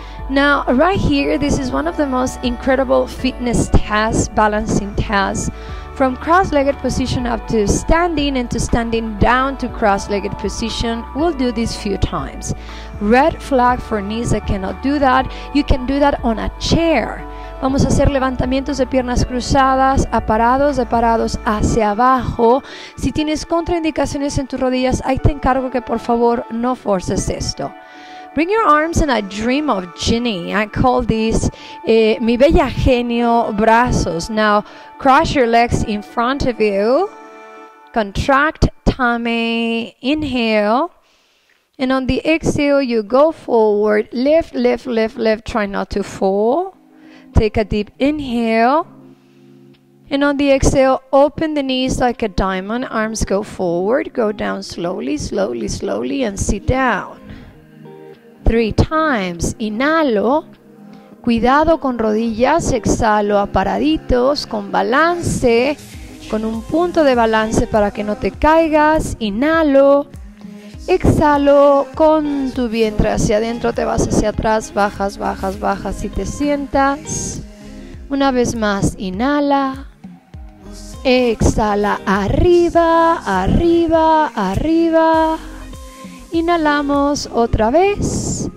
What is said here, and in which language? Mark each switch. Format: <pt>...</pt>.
<en>Now, right here, this is one of the most incredible fitness tests, balancing tests, from cross-legged position up to standing and to standing down to cross-legged position. We'll do this few times. Red flag for knees, I cannot do that. You can do that on a chair.</en> <es>Vamos a hacer levantamientos de piernas cruzadas, aparados, de parados hacia abajo. Si tienes contraindicaciones en tus rodillas, ahí te encargo que por favor no forces esto.</es> <en>Bring your arms and I dream of genie. I call this</en> <es>mi bella genio brazos.</es> <en>Now, cross your legs in front of you. Contract tummy. Inhale. And on the exhale, you go forward. Lift, lift, lift, lift. Try not to fall. Take a deep inhale. And on the exhale, open the knees like a diamond. Arms go forward. Go down slowly, slowly, slowly, and sit down.</en> <es>Three times, inhalo, cuidado con rodillas, exhalo a paraditos, con balance, con un punto de balance para que no te caigas, inhalo, exhalo, con tu vientre hacia adentro, te vas hacia atrás, bajas, bajas, bajas y te sientas, una vez más, inhala, exhala, arriba, arriba, arriba, inhalamos otra vez.</es>